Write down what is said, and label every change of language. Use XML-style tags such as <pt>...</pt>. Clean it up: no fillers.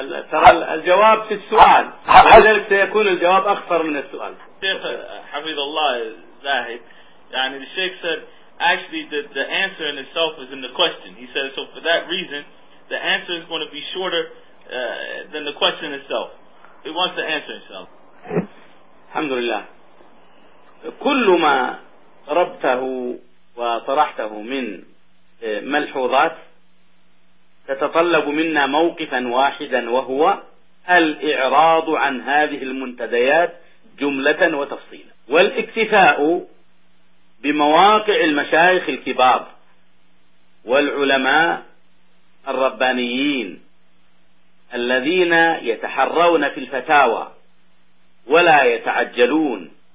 <ar>ترى الجواب في السؤال، لذلك سيكون الجواب أخطر من السؤال. شيخ حفظ الله زاهد، يعني</ar> <en>the sheikh said actually that the answer in itself is in the question. He said so for that reason the answer is going to be shorter than the question itself. He wants to answer himself.</en> <ar>الحمد لله. كل ما ربطه وطرحته من ملحوظات تتطلب منا موقفا واحدا، وهو الإعراض عن هذه المنتديات جملة وتفصيلا، والاكتفاء بمواقع المشايخ الكبار والعلماء الربانيين الذين يتحرون في الفتاوى ولا يتعجلون</ar>